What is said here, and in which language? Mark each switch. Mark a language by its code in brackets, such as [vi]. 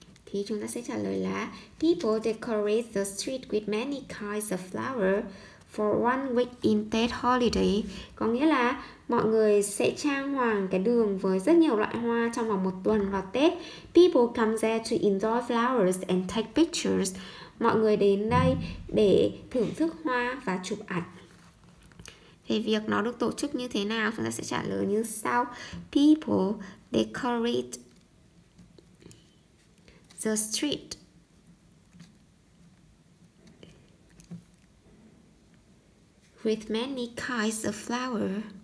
[vi] thì chúng ta sẽ trả lời là [en] people decorate the street with many kinds of flowers for one week in Tết holiday. [vi] Có nghĩa là mọi người sẽ trang hoàng cái đường với rất nhiều loại hoa trong vòng một tuần vào Tết. [en] People come there to enjoy flowers and take pictures. [vi] Mọi người đến đây để thưởng thức hoa và chụp ảnh. Về việc nó được tổ chức như thế nào, chúng ta sẽ trả lời như sau. [en] People decorate the street with many kinds of flower